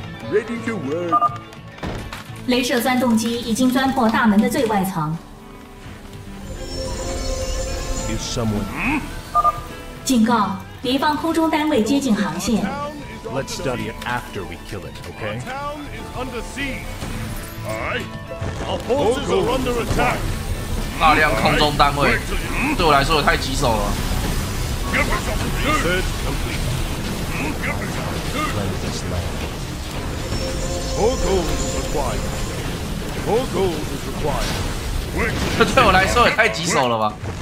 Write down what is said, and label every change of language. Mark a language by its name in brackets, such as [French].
[English] Ready to work. [Chinese] 雷射钻动机已经钻破大门的最外层。 [English] Is someone? [Chinese] 警告，敌方空中单位接近航线。 [English] Let's study it after we kill it, okay? Our town is under siege. Aye. Our forces are under attack. [Chinese] 大量空中单位对我来说也太棘手了，这对我来说也太棘手了吧。